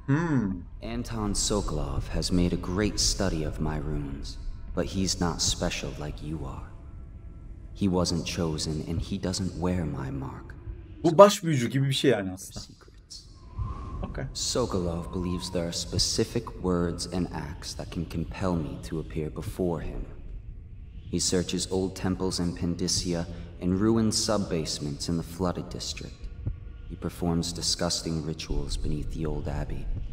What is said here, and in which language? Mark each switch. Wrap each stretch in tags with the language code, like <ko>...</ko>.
<en>Anton Sokolov has made a great study of my runes, but he's not special like you are. He wasn't chosen and he doesn't wear my mark.</en> <tr>Bu baş büyücü gibi bir şey yani aslında.</tr> <en>Okay. Sokolov believes there are specific words and acts that can compel me to appear before him. He searches old temples in Pendicia and ruined sub-basements in the flooded district. He performs disgusting rituals beneath the old abbey.</en>